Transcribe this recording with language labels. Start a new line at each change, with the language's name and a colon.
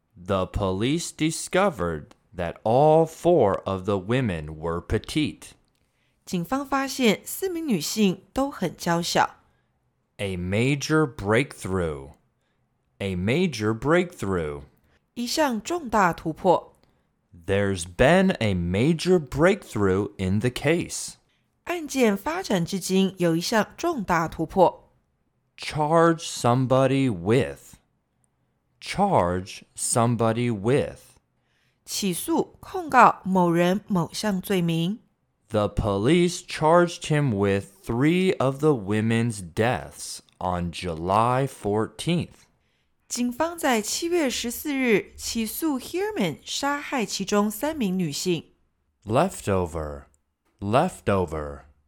English: The police discovered that all four of the women were petite.
Chinese: 警方发现四名女性都很娇小。
English: A major breakthrough. A major breakthrough.
Chinese: 一项重大突破。
English: There's been a major breakthrough in the case.
Chinese: 案件发展至今有一项重大突破。
English: Charge somebody with. Charge somebody with.
Chinese: 起诉控告某人某项罪名。
English: The police charged him with three of the women's deaths on July 14th.
Chinese: 警方在7月14日起诉 Hearman 杀害其中三名女性。
English: Leftover, leftover.